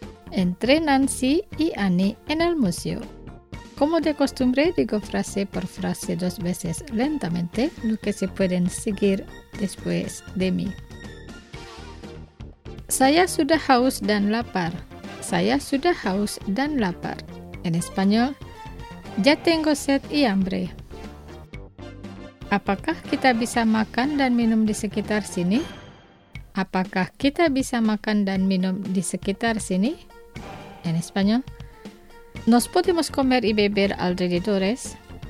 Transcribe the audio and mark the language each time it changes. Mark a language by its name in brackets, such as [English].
[Spanish] Entre Nancy y Annie en el museo. Como de costumbre, digo frase por frase dos veces lentamente, lo que se pueden seguir después de mí. [Indonesian] Saya sudah haus dan lapar. Saya sudah haus dan lapar. [Spanish] En español, ya tengo sed y hambre. [Indonesian] Apakah kita bisa makan dan minum di sekitar sini? Apakah kita bisa makan dan minum di sekitar sini? [Spanish] En español. Nos podemos comer y beber alrededores.